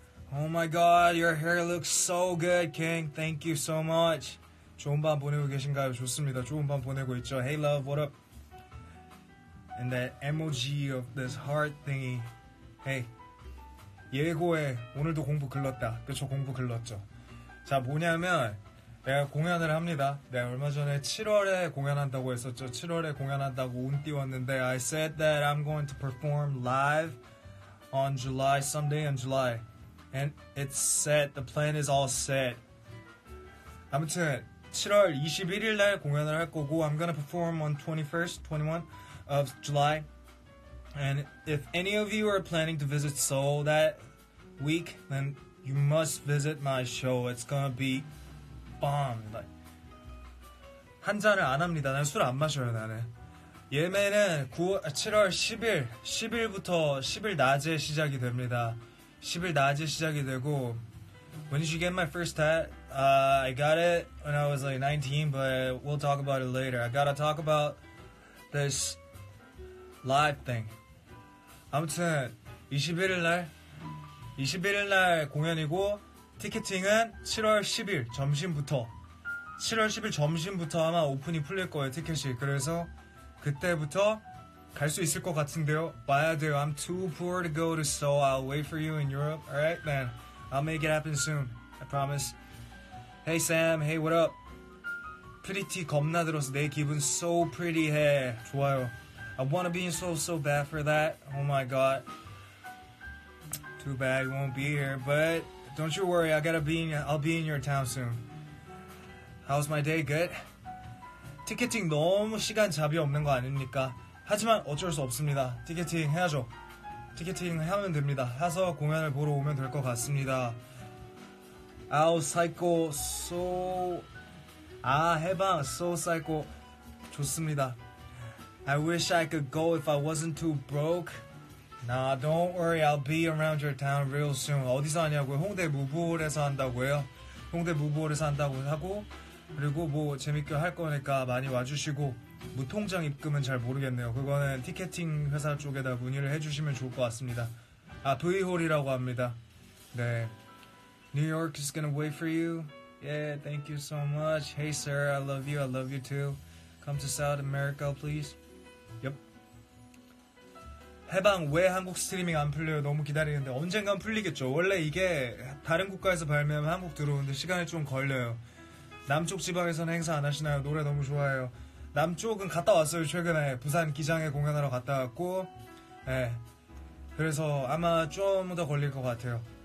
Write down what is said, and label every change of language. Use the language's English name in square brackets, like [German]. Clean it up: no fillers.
[English] Oh my god, your hair looks so good, King. Thank you so much. [Korean] 좋은 밤 보내고 계신가요? 좋습니다. 좋은 밤 보내고 있죠. [English] Hey love, what up? And that emoji of this heart thingy. Hey. [Korean] 예고에 오늘도 공부 글렀다. 그쵸, 공부 글렀죠. 자, 뭐냐면 내가 공연을 합니다. 내가 얼마 전에 7월에 공연한다고 했었죠. 7월에 공연한다고 운 띄웠는데 [English] I said that I'm going to perform live on July, someday in July. And it's set. The plan is all set. [Korean] 아무튼 7월 21일 날 공연을 할 거고 [English] I'm gonna perform on 21st of July. And if any of you are planning to visit Seoul that week, then you must visit my show. It's gonna be bomb. Like, [Korean] 한 잔을 안 합니다. 난 술 안 마셔요, 나는. 예매는 10일 낮에 시작이 됩니다. 10일 낮에 시작이 되고 [English] When did you get my first tat? I got it when I was like 19, but we'll talk about it later. I gotta talk about this live thing. [Korean] 아무튼 21일 날 공연이고 티켓팅은 7월 10일 점심부터 7월 10일 점심부터 아마 오픈이 풀릴 거예요, 티켓이. 그래서 그때부터 갈 수 있을 것 같은데요. 봐야 돼요. [English] I'm too poor to go to Seoul. I'll wait for you in Europe. Alright, man. I'll make it happen soon. I promise. Hey, Sam. Hey, what up? [Korean] Pretty 겁나 들었어. 내 기분 so pretty 해. 좋아요. [English] I wanna be in Seoul so bad for that. Oh my god. Too bad you won't be here. But don't you worry. I'll be in your town soon. How's my day? Good? [Korean] 티켓팅 너무 시간 잡이 없는 거 아닙니까? 하지만 어쩔 수 없습니다. 티켓팅 해야죠. 티켓팅 하면 됩니다. 해서 공연을 보러 오면 될 것 같습니다. 아우 사이코 소... 아 해방 소 사이코 좋습니다. [English] I wish I could go if I wasn't too broke. Nah, don't worry. I'll be around your town real soon. [Korean] 어디서 하냐고요? 홍대 무부홀에서 한다고요. 홍대 무부홀에서 한다고 하고 그리고 뭐 재밌게 할 거니까 많이 와주시고 무통장 입금은 잘 모르겠네요. 그거는 티켓팅 회사 쪽에다 문의를 해주시면 좋을 것 같습니다. 아, V홀이라고 합니다. 네. [English] New York is gonna wait for you. Yeah, thank you so much. Hey, sir, I love you. I love you too. Come to South America, please. Yep. [Korean] 해방 왜 한국 스트리밍 안 풀려요? 너무 기다리는데 언젠간 풀리겠죠. 원래 이게 다른 국가에서 발매하면 한국 들어오는데 시간이 좀 걸려요. 남쪽 지방에서는 행사 안 하시나요? 노래 너무 좋아해요. 남쪽은 갔다 왔어요, 최근에. 부산 기장에 공연하러 갔다 왔고. 예. 네. 그래서 아마 좀 더 걸릴 것 같아요.